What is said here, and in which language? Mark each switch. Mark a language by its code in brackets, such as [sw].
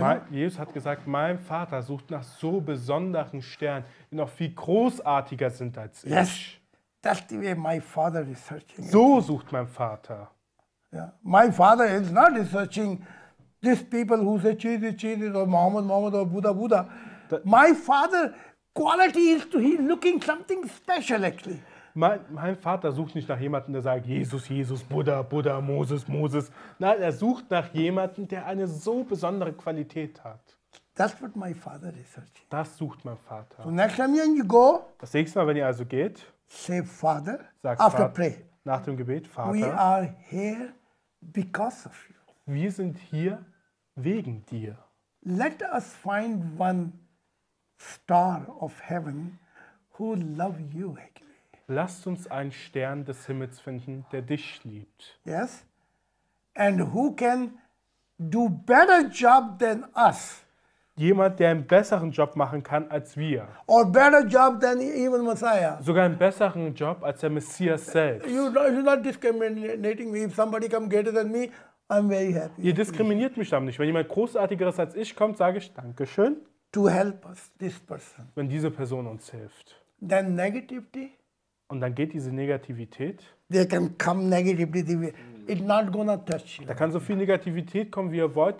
[de] Jesus hat gesagt, mein Vater sucht nach so besonderen Sternen, die noch viel großartiger sind als ich. [en] Yes, that's the way my father is searching. [de] So sucht mein Vater. [en] Yeah. My father is not researching these people who say Jesus, Jesus, or Muhammad, Muhammad, or Buddha, Buddha. My father quality is to he looking something special actually. [de] Mein Vater sucht nicht nach jemandem, der sagt, Jesus, Jesus, Buddha, Buddha, Moses, Moses. Nein, er sucht nach jemandem, der eine so besondere Qualität hat. [en] That's what my father researches. [de] Das sucht mein Vater. [en] So next time you go, [de] das nächste Mal, wenn ihr also geht, [en] say Father, [de] sagt [en] after [de] Vater, [en] pray. [de] Nach dem Gebet, Vater, [en] we are here because of you. [de] Wir sind hier wegen dir. [en] Let us find one star of heaven who love you again. [de] Lasst uns einen Stern des Himmels finden, der dich liebt. [en] Yes. And who can do better job than us? [de] Jemand, der einen besseren Job machen kann als wir. [en] Or better job than even Messiah. [de] Sogar einen besseren Job als der Messias selbst. [en] You're not discriminating me. If somebody comes greater than me, I'm very happy. [de] Ihr diskriminiert mich damit nicht. Wenn jemand Großartigeres als ich kommt, sage ich Dankeschön. [en] To help us, this person. [de] Wenn diese Person uns hilft. [en] Then negativity. [de] Und dann geht diese Negativität. [en] They can come negatively. It's not gonna touch you. [de] Da kann so viel Negativität kommen, wie ihr wollt.